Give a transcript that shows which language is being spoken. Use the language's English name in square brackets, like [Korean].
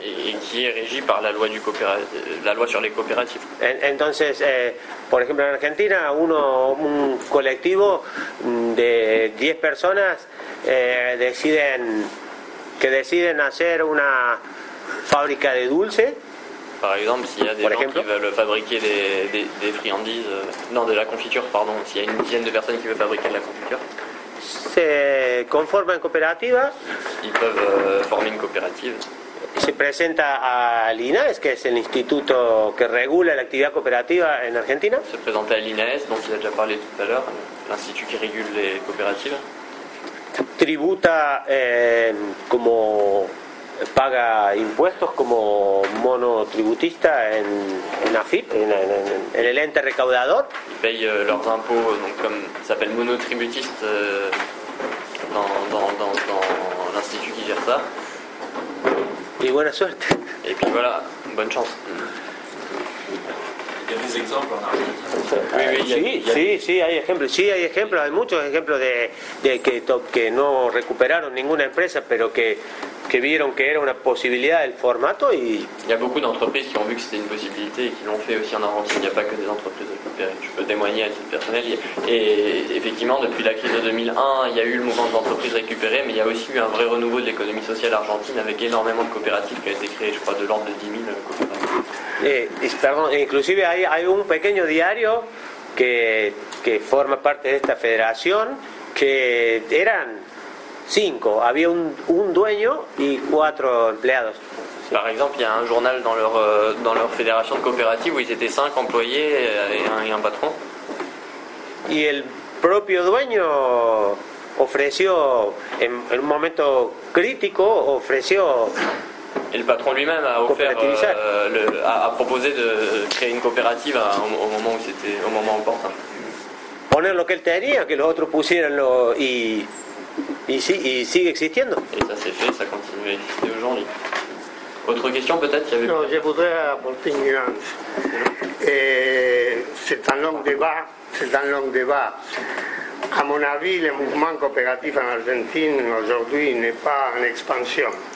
[Spanish] Y que es regido por la ley sobre las cooperativas. Entonces, por ejemplo, en Argentina, un colectivo de 10 personas deciden hacer una fábrica de dulce. [French] Par exemple, s'il y a des gens qui veulent fabriquer des friandises, non, de la confiture, pardon, s'il y a une dizaine de personnes qui veulent fabriquer de la confiture, [Spanish] se conforma en cooperativa. [French] Ils peuvent former une coopérative. [Spanish] Se presenta a l'INAES, que es el instituto que regula la actividad cooperativa en Argentina. Se presenta a [French] l'INAES, dont il a déjà parlé tout à l'heure, l'institut qui régule les coopératives. [Spanish] Tributa como... paga impuestos como monotributista en AFIP, en el ente recaudador. [French] Paye leurs impôts, donc comme ça s'appelle monotributiste dans l'institut qui gère ça. [Spanish] Y buena suerte. [French] Et puis voilà, bonne chance. Il y a des exemples en Argentine. [Spanish] Sí, hay ejemplos, hay muchos ejemplos de que no recuperaron ninguna empresa, pero que vieron que era una posibilidad del formato y... [French] Il y a beaucoup d'entreprises qui ont vu que c'était une possibilité et qui l'ont fait aussi en Argentine. Il n'y a pas que des entreprises récupérées. Je peux témoigner à titre personnel. Et effectivement, depuis la crise de 2001, il y a eu le mouvement des entreprises récupérées, mais il y a aussi eu un vrai renouveau de l'économie sociale argentine avec énormément de coopératives qui ont été créées, je crois, de l'ordre de 10 000 coopératives. [Spanish] Pardon, inclusive hay un pequeño diario que forma parte de esta federación que eran 5, había un dueño y 4 empleados. [French] Par exemple, il y a un journal dans leur fédération de coopérative où ils étaient 5 employés et un patron. [Spanish] Y el propio dueño ofreció en un momento crítico ofreció. [French] Et le patron lui-même a proposé de créer une coopérative au moment où c'était au moment opportun. [Spanish] Poner lo que él tenía, que los otros pusieran lo y sigue existiendo. [French] Et ça s'est fait, ça continue à exister aujourd'hui. Autre question peut-être y avait... Non, je voudrais apporter une nuance. C'est un long débat. À mon avis, le mouvement coopératif en Argentine aujourd'hui n'est pas en expansion.